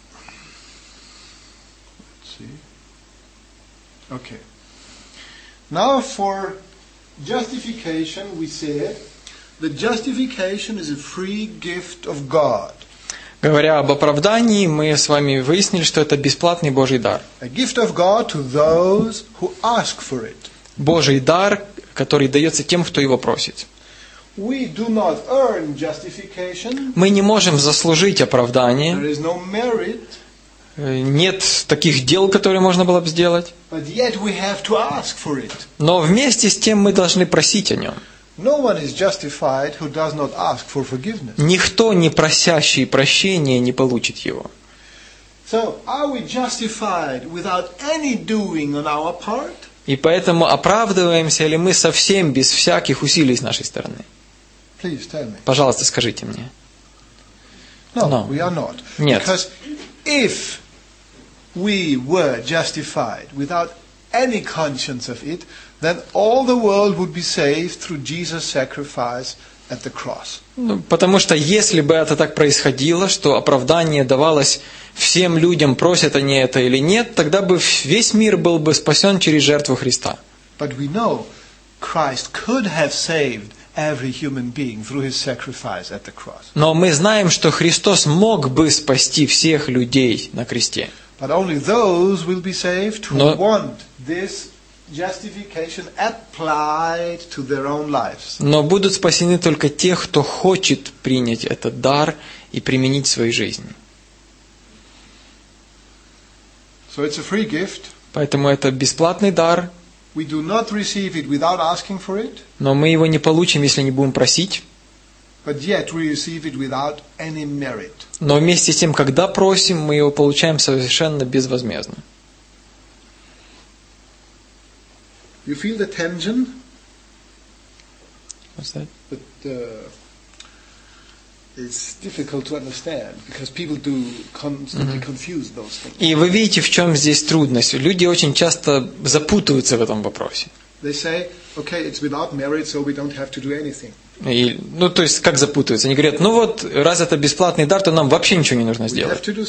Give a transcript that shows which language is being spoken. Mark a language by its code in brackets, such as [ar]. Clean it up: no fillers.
[en] Let's see. Okay. Now for justification, we said that justification is a free gift of God. [ru] Говоря об оправдании, мы с вами выяснили, что это бесплатный Божий дар. [en] A gift of God to those who ask for it. [ru] Божий дар, который дается тем, кто его просит. [en] We do not earn justification. [ru] Мы не можем заслужить оправдание. [en] There is no merit. [ru] Нет таких дел, которые можно было бы сделать. [en] But yet we have to ask for it. [ru] Но вместе с тем мы должны просить о нем. [en] No one is justified who does not ask for forgiveness. [ru] Никто, не просящий прощения, не получит его. [en] So are we justified without any doing on our part? [ru] И поэтому оправдываемся ли мы совсем без всяких усилий с нашей стороны? [en] Please tell me. [ru] Пожалуйста, скажите мне. [en] No, no. We are not. [ru] Нет. [en] Because if we were justified without any conscience of it, then all the world would be saved through Jesus' sacrifice at the cross. [ru] Ну, потому что если бы это так происходило, что оправдание давалось всем людям, просят они это или нет, тогда бы весь мир был бы спасен через жертву Христа. [en] But we know Christ could have saved every human being through his sacrifice at the cross. [ru] Но мы знаем, что Христос мог бы спасти всех людей на кресте. [en] But only those will be saved who want this justification applied to their own lives. [ru] Но будут спасены только те, кто хочет принять этот дар и применить в своей жизни. [en] So it's a free gift. [ru] Поэтому это бесплатный дар. [en] We do not receive it without asking for it. [ru] Но мы его не получим, если не будем просить. [en] But yet we receive it without any merit. [ru] Но вместе с тем, когда просим, мы его получаем совершенно безвозмездно. [en] You feel the tension? What's that? It's difficult to understand because people do constantly confuse those things. [ru] И вы видите, в чем здесь трудность? Люди очень часто запутываются в этом вопросе. [en] They say, okay, it's without merit, so we don't have to do anything. [ru] И, ну, то есть, как запутываются? Они говорят, ну вот, раз это бесплатный дар, то нам вообще ничего не нужно сделать.